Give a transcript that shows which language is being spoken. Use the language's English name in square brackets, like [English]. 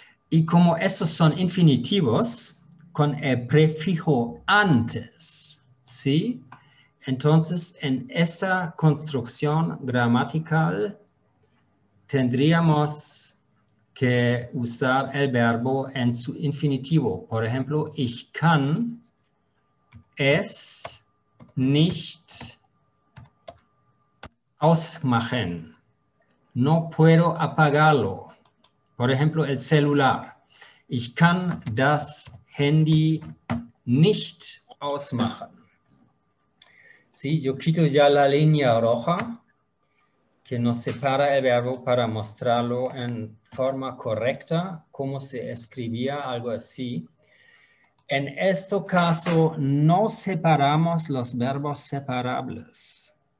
[Spanish] Y como esos son infinitivos, con el prefijo antes, ¿sí? Entonces, en esta construcción gramatical, tendríamos que usar el verbo en su infinitivo. [German] Por ejemplo, ich kann es nicht ausmachen. [Spanish] No puedo apagarlo. Por ejemplo, el celular. [German] Ich kann das Handy nicht ausmachen. [Spanish] Sí, yo quito ya la línea roja que nos separa el verbo para mostrarlo en forma correcta, cómo se escribía, algo así. En este caso, no separamos los verbos separables.